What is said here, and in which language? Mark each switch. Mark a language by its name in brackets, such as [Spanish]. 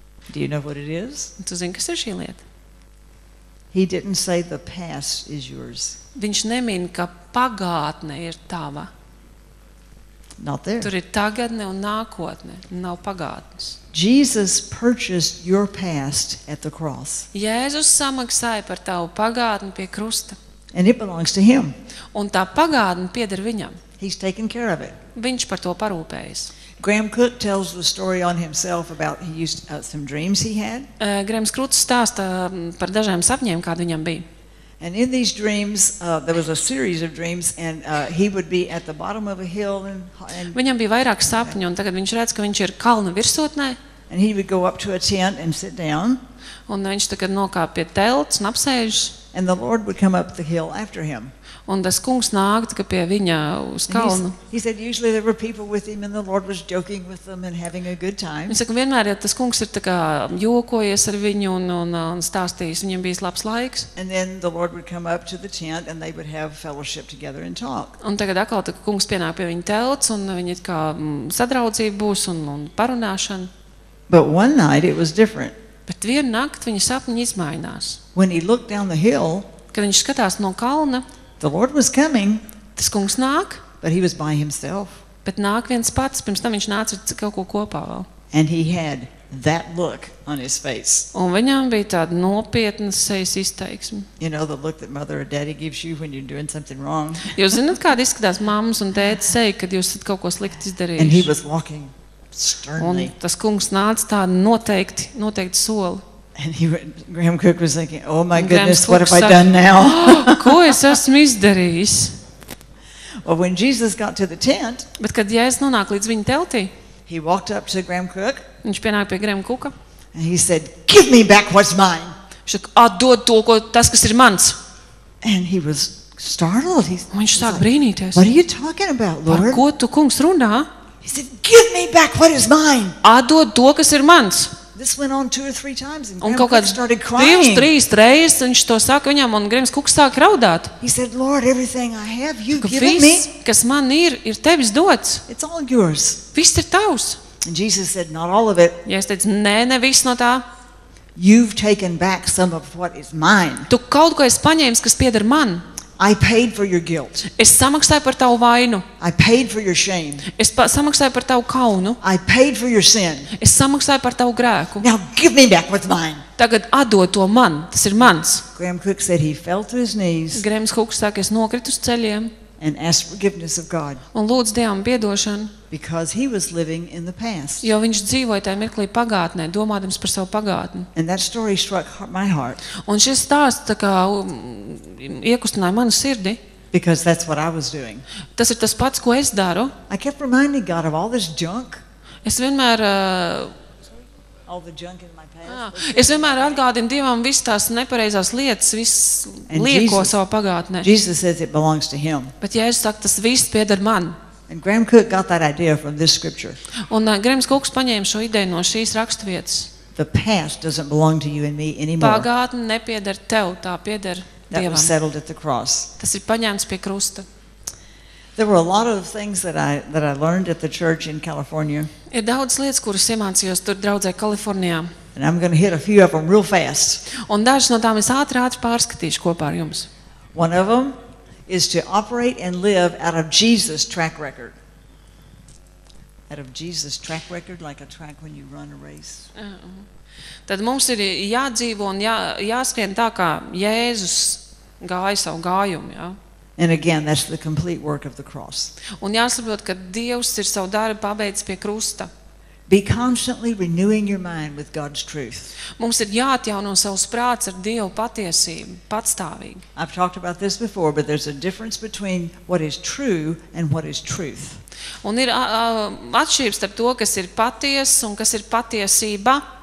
[English] Do you know what it is? [Latvian] Un tu zini, kas ir šī lieta? [English] He didn't say the past is yours. [Latvian] Viņš nemin, ka pagātne ir tava. [English] Not there. [Latvian] Tur ir tagadne un nākotne, nav pagātnes. [English] Jesus purchased your past at the cross. [Latvian] Jēzus samaksāja par tavu pagātni pie krusta. [English] And it belongs to him. [Latvian] Un tā pagātne pieder viņam. [English] He's taken care of it. [Latvian] Viņš par to parūpējis. [English] Graham Cook tells the story on himself about he used some dreams he had. [Latvian] Grahams Krūts stāsta par dažiem sapņiem, kādi viņam bija. [English] And in these dreams there was a series of dreams and he would be at the bottom of a hill and [Latvian] viņam bija vairāk sapņu un tagad viņš redz, ka viņš ir kalna virsotnē. [English] And he would go up to a tent and sit down. [Latvian] Un viņš tagad nokāp pie telts un apsēžas. [English] and the Lord would come up the hill after him. [Latvian] Un tas kungs nākt pie viņa uz kalnu. [English] He said usually there were people with him and the Lord was joking with them and having a good time. [Latvian] Viņš saka, vienmēr, ja tas kungs ir tā kā jokojies ar viņu un stāstījis, viņam bijis labs laiks. [English] And then the Lord would come up to the tent and they would have fellowship together and talk. [Latvian] Un tagad atkal tā kungs pienāk pie viņa telts un viņi tā kā sadraudzība būs un parunāšana. [English] But one night it was different. [Latvian] Bet vienu nakti viņa sapņi izmainās. [English] When he looked down the hill, [Latvian] kad viņš skatās no kalna, [English] the Lord was coming, [Latvian] tas kungs nāk, [English] but he was by himself. [Latvian] Bet nāk viens pats, pirms tam viņš nāca kaut ko kopā vēl. [English] And he had that look on his face. [Latvian] Un viņam bija tāda nopietna sejas izteiksme. [English] You know the look that mother or daddy gives you when you're doing something wrong. [Latvian] Jūs zināt, kāda izskatās mammas un tētas seja, kad jūs esat kaut ko slikti izdarījuši. [English] And he was walking sternly. [Latvian] Un tas kungs nāca tādu noteikti, noteikti soli. [English] And he, Graham Cook was thinking, oh my goodness, what have I done now? [Latvian] Ko es esmu izdarījis? [English] Well, when Jesus got to the tent, [Latvian] bet kad Jēzus nonāk līdz viņa teltī, [English] he walked up to Graham Cook. [Latvian] Viņš pienāk pie Grahama Cooka. [English] And he said, give me back what's mine. [Latvian] Viņš saka, atdod to, ko tas, kas ir mans. [English] And he was startled. [Latvian] Viņš sāk brīnīties. [English] What are you talking about, Lord? [Latvian] Par ko tu, kungs, runā? [English] He said, give me back what is mine. [Latvian] Atdod to, kas ir mans. [English] This went on two or three times and [Latvian] un kaut kāds divas, trīs reizes viņš to saka viņam un Grahams Cooks sāk raudāt. [English] He said, Lord, everything I have, you give me. [Latvian] Kas man ir tevis dots. [English] It's all yours. [Latvian] Viss ir tavs. [English] And Jesus said, not all of it. [Latvian] Jēzus teica, nē, ne viss no tā. [English] You've taken back some of what is mine. [Latvian] Tu kaut ko esi paņēmis, kas pieder man. [English] I paid for your guilt. [Latvian] Es samaksāju par tavu vainu. [English] I paid for your shame. [Latvian] Es samaksāju par tavu kaunu. [English] I paid for your sin. [Latvian] Es samaksāju par tavu grēku. [English] Now give me back what's mine. [Latvian] Tagad atdod to man, tas ir mans. [English] Graham Cook said he fell to his knees. [Latvian] Grahams Cooks saka, es nokritu uz ceļiem. [English] And asked forgiveness of God. [Latvian] Un lūdzu Dievam piedošanu. [English] Because he was living in the past. [Latvian] Jo viņš dzīvoja tajā mirklī pagātnē, domādams par savu pagātni. [English] And that story struck my heart. [Latvian] Un šis stāsts tā kā iekustināja manu sirdi. [English] Because that's what I was doing. [Latvian] Tas ir tas pats, ko es daru. [English] I kept reminding God of all this junk. [Latvian] Es vienmēr [English] all the junk in my past. [Latvian] Es vienmēr atgādinu Dievam visu tās nepareizās lietas, visu lieko savu pagātnē. [English] Jesus says it belongs to him. [Latvian] Bet Jēzus saka, tas viss pieder man. [English] And Graham Cook got that idea from this scripture. [Latvian] Un Grahams Cooks paņēma šo ideju no šīs rakstuvietas. [English] The past doesn't belong to you and me anymore. [Latvian] Pagātne nepieder tev, tā pieder Dievam. [English] That was settled at the cross. [Latvian] Tas ir paņemts pie krusta. [English] There were a lot of things that I learned at the church in California. [Latvian] Ir daudz lietas, kuras iemācījos tur draudzē Kalifornijā. [English] And I'm going to hit a few of them real fast. [Latvian] Un dažas no tām es ātri pārskatīšu kopā ar jums. [English] One of them is to operate and live out of Jesus' track record. Out of Jesus' track record, like a track when you run a race. [Latvian] Tad mums ir jādzīvo un jāskrien tā, kā Jēzus gāja savu gājumu. Ja? [English] And again, that's the complete work of the cross. [Latvian] Un jāsaprot, ka Dievs ir savu darbu pabeidzis pie krusta. [English] Be constantly renewing your mind with God's truth. [Latvian] Mums ir jāatjauno savs prāts ar Dieva patiesību, patstāvīgi. [English] I've talked about this before, but there's a difference between what is true and what is truth. [Latvian] Un ir atšķirība starp to, kas ir patiesa un kas ir patiesība.